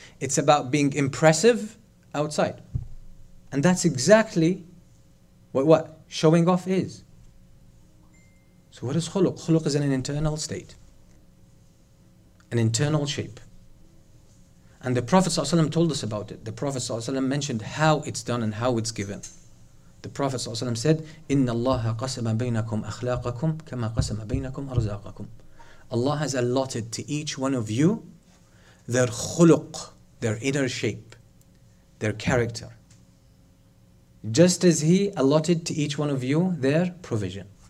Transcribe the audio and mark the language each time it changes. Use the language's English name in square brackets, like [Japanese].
[English] It's about being impressive outside. And that's exactly what showing off is. So what is khuluq? Khuluq is an internal state. An internal shape. And the Prophet ﷺ told us about it. The Prophet ﷺ mentioned how it's done and how it's given. The Prophet ﷺ said, [Arabic] إِنَّ اللَّهَ قَسَمَ بَيْنَكُمْ أَخْلَاقَكُمْ كَمَا قَسَمَ بَيْنَكُمْ أَرْزَاقَكُمْ. [English] Allah has allotted to each one of you their khuluq, their inner shape, their character. Just as He allotted to each one of you their provision.